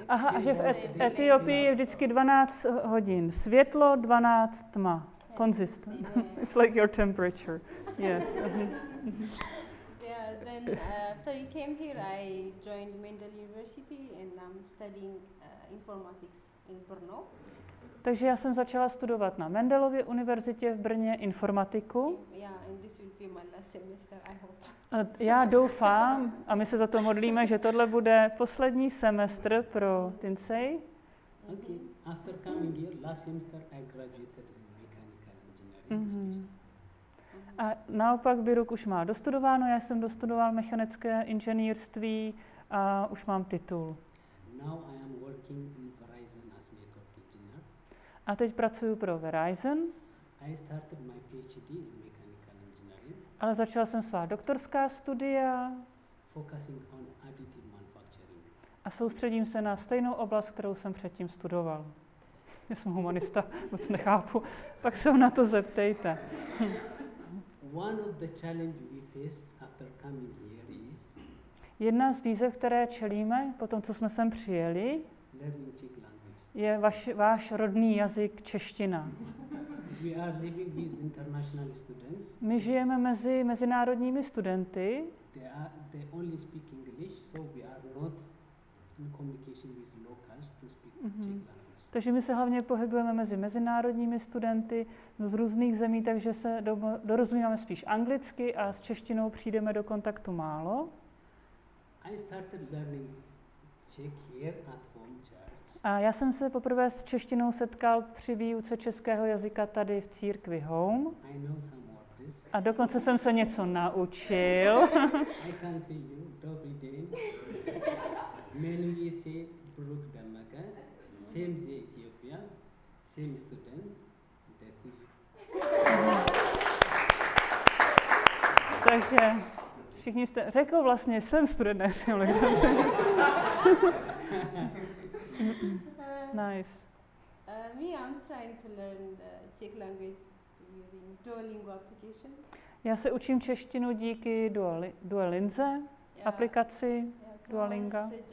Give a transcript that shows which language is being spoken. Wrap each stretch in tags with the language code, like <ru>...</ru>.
<cs>Aha, a že v Etiopii je vždycky 12 hodin. Světlo, 12, tma.</cs> <en>Consistent. It's like your temperature. Yes. Yeah, then after I came here, I joined Mendel University and I'm studying informatics in Brno.</en> <cs>Takže já jsem začala studovat na Mendelově univerzitě v Brně informatiku.</cs> <en>Yeah, and this will be my last semester, I hope.</en> <cs>Já doufám, a my se za to modlíme, že tohle bude poslední semestr pro Tinsey.</cs> <en>Okay, after coming here, last semester I graduated in mechanical engineering. Mm-hmm.</en> <cs>A naopak Biruk už má dostudováno, já jsem dostudoval mechanické inženýrství a už mám titul.</cs> <en>Now I am working in Verizon as network engineer.</en> <cs>A teď pracuju pro Verizon.</cs> <en>I started my PhD in mechanical engineering.</en> <cs>Ale začal jsem svá doktorská studia.</cs> <en>Focusing on additive manufacturing.</en> <cs>A soustředím se na stejnou oblast, kterou jsem předtím studoval. Já jsem humanista, moc nechápu, pak se na to zeptejte.</cs> <en>One of the challenges we face after coming here is.</en> <cs>Jedna z výzev, které čelíme po tom, co jsme sem přijeli,</cs> <en>learning Czech language.</en> <cs>Je váš rodný jazyk čeština.</cs> <en>We are living with international students.</en> <cs>My žijeme mezi mezinárodními studenty.</cs> <en>They only speak English, so we are not in communication with locals to speak Czech language.</en> <cs>Takže my se hlavně pohybujeme mezi mezinárodními studenty z různých zemí, takže se dorozumíváme spíš anglicky a s češtinou přijdeme do kontaktu málo.</cs> <en>I started learning Czech here at home church.</en> <cs>A já jsem se poprvé s češtinou setkal při výuce českého jazyka tady v církvi Home.</cs> <en>I know some of this.</en> <cs>A dokonce jsem se něco naučil.</cs> <en>I can see you.</en> <cs>Dobrý den. Jmenuji se Brook Damaga.</cs> <en>Same the Ethiopia, same students,</en> <cs>Takže všichni jste, řekl vlastně, jsem student, ne, jsem student.</cs> <en>Nice. Me, I'm trying to learn Czech language using Duolingo application.</en> <cs>Já se učím češtinu díky Duolinze, aplikaci Duolinga.</cs>